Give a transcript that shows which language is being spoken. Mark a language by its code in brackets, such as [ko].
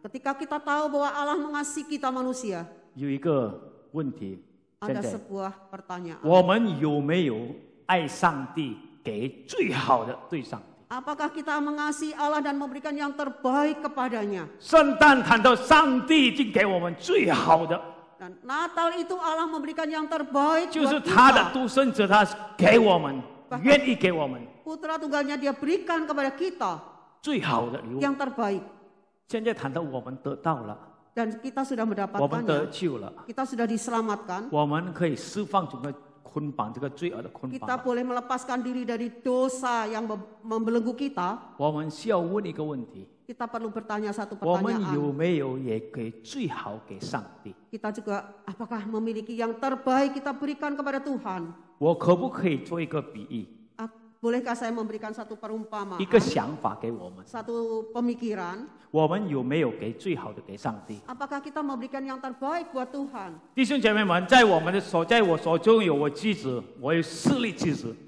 [id] ketika kita tahu bahwa Allah mengasihi kita manusia, [zh] 有一个问题, [id] ada sebuah pertanyaan, [zh] 我们有没有爱上帝给最好的对上帝? [id] Apakah kita mengasihi Allah dan memberikan yang terbaik kepadanya? [zh] 圣诞谈到上帝已经给我们最好的, [id] dan Natal itu Allah memberikan yang terbaik, [zh] 就是他的独生子他给我们, 愿意给我们 [id] Putra tunggalnya dia berikan kepada kita yang terbaik. [zh] 现在谈到我们得到了, [id] dan kita sudah mendapatkannya, [zh] 我们得救了, [id] kita sudah diselamatkan, [zh] 我们可以释放这个捆绑这个罪恶的捆绑, [id] kita boleh melepaskan diri dari dosa yang membelenggu kita. [zh] 我们需要问一个问题, [id] kita perlu bertanya satu pertanyaan, [zh] 我们有没有也给最好给上帝? [id] Kita juga apakah memiliki yang terbaik kita berikan kepada Tuhan? [zh] 我可不可以做一个比喻? [id] Bolehkah saya memberikan satu perumpamaan? [zh] 一个想法给我们, [id] satu pemikiran. [zh] 我们有没有给最好的给上帝? [id] Apakah kita memberikan yang terbaik buat Tuhan? [zh] 弟兄姐妹们, 在我手中有我枝子, 我有四粒枝子。